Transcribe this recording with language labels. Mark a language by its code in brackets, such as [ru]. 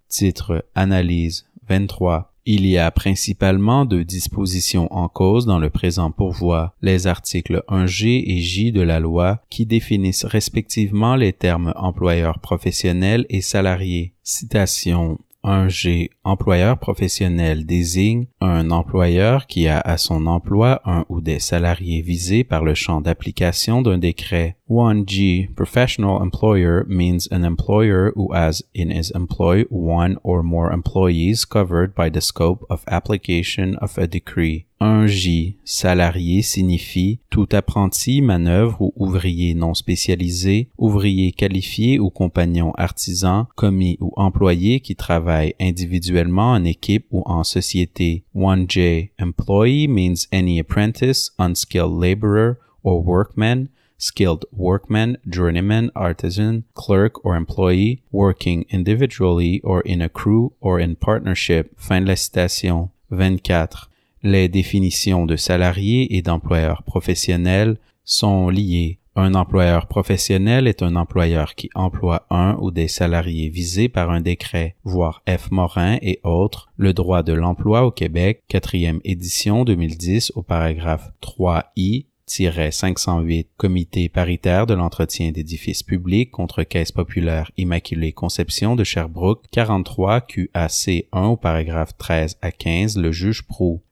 [fr] Titre Analyse 23. Il y a principalement deux dispositions en cause dans le présent pourvoi, les articles 1G et J de la loi qui définissent respectivement les termes employeur professionnel et salarié. Citation 1G. Employeur professionnel désigne un employeur qui a à son emploi un ou des salariés visés par le champ d'application d'un décret. 1G. [en] Professional employer means an employer who has in his employ one or more employees covered by the scope of application of a decree. [fr] 1J. Salarié signifie tout apprenti, manœuvre ou ouvrier non spécialisé, ouvrier qualifié ou compagnon artisan, commis ou employé qui travaille individuellement en équipe ou en société. 1J. [en] Employee means any apprentice, unskilled laborer or workman, skilled workman, journeyman, artisan, clerk or employee, working individually or in a crew or in partnership. [fr] Fin de la citation. 24. Les définitions de salarié et d'employeur professionnel sont liées. Un employeur professionnel est un employeur qui emploie un ou des salariés visés par un décret, voir F. Morin et autres, Le droit de l'emploi au Québec, 4e édition 2010, au paragraphe 3I-508, Comité paritaire de l'entretien d'édifices publics contre Caisse populaire Immaculée Conception de Sherbrooke, 43 QAC 1, au paragraphe 13 à 15, le juge Proulx.